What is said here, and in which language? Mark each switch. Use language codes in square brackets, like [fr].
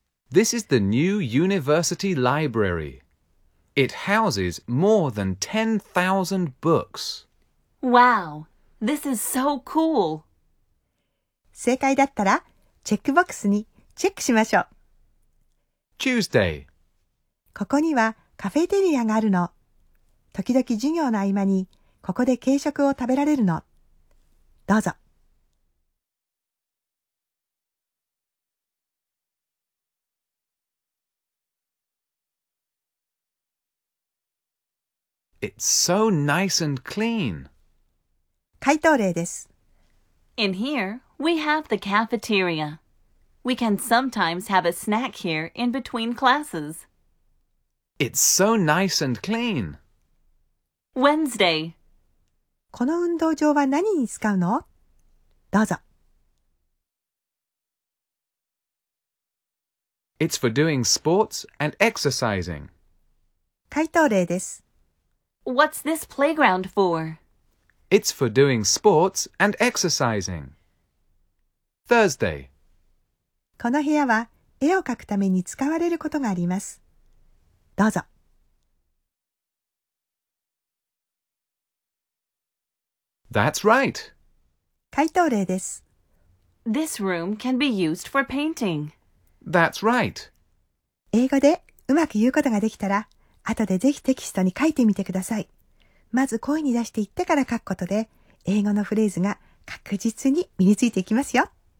[en] This is the new university library. It houses more than 10,000 books. Wow! This is so cool! [ja] 正解だったらチェックボックスにチェックしましょう。 [en] Tuesday. [ja] ここにはカフェテリアがあるの。時々授業の合間にここで軽食を食べられるの。どうぞ。 [en] It's so nice and clean. [ja] 回答例です。 [en] In here, we have the cafeteria. We can sometimes have a snack here in between classes. It's so nice and clean. Wednesday. [ja] この運動場は何に使うの？どうぞ。 [en] It's for doing sports and exercising. [ja] 回答例です。 [en] What's this playground for? It's for doing sports and exercising. Thursday. [ja] この部屋は絵を描くために使われることがあります。どうぞ。 [en] That's right. [ja] 回答例です。 [en] This room can be used for painting. That's right. [ja] 英語でうまく言うことができたら、後でぜひテキストに書いてみてください。まず声に出して言ってから書くことで、英語のフレーズが確実に身についていきますよ。